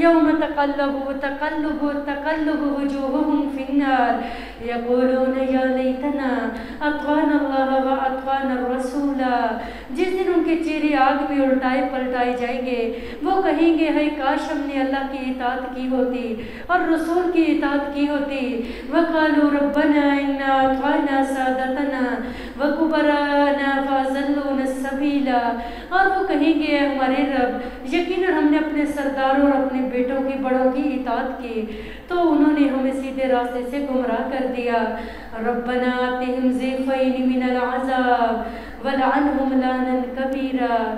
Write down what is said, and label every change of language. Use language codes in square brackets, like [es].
[ar] یوم تقلب وجوہہم فی النار یقولون یا لیتنا اطعنا اللہ واطعنا الرسول. [ur] جس دن ان کے چہرے آگ میں الٹائے پلٹائے جائیں گے وہ کہیں گے, ہائے کاش ہم نے اللہ کی اطاعت کی ہوتی اور رسول کی اطاعت کی ہوتی. [ar] وقالوا ربنا انا اطعنا سادتنا وکبرانا فضلونا السبیلا. [ur] اور وہ کہیں گے, اے ہمارے رب, یقیناً ہم نے اپنے سرداروں اور اپنے بیٹوں کی بڑوں کی اطاعت کی تو انہوں نے ہمیں سیدھے راستے سے گمراہ کر دیا. [ar] ربنا آتہم ضعفین من العذاب ولعنہم لعنا کبیرا.